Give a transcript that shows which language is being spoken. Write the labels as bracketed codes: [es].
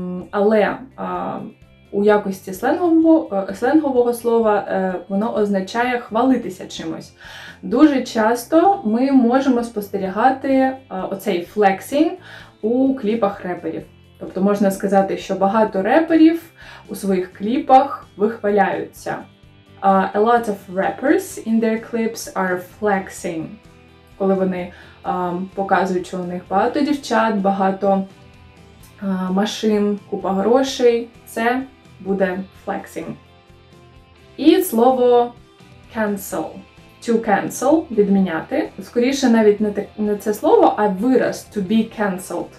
[uk] Але у якості сленгового слова воно означає хвалитися чимось. Дуже часто ми можемо спостерігати оцей flexing у кліпах реперів. Тобто можна сказати, що багато реперів у своїх кліпах вихваляються. [en] A lot of rappers in their clips are flexing. [uk] Коли вони показують, що у них багато дівчат, багато машин, купа грошей, це буде flexing. І слово cancel. To cancel – відміняти. Скоріше навіть не це слово, а вираз to be cancelled.